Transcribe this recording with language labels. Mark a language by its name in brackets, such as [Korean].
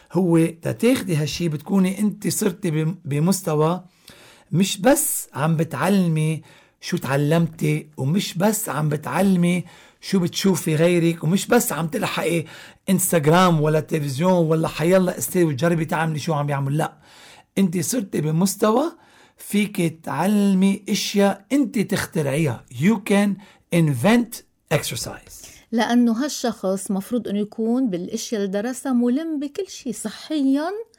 [Arabic] هو تاخدي هالشيء بتكوني انت صرتي بمستوى مش بس عم بتعلمي شو تعلمتي، ومش بس عم بتعلمي شو بتشوفي غيرك، ومش بس عم تلحقي انستغرام ولا تلفزيون ولا حيلا استير وتجربي تعملي شو عم يعمل. لا، انت صرتي بمستوى فيك تعلمي اشياء انت تخترعيها. [English] You can invent exercise. [Arabic] لأنه هالشخص مفروض أن يكون بالإشياء اللي درسها ملم بكل شيء صحياً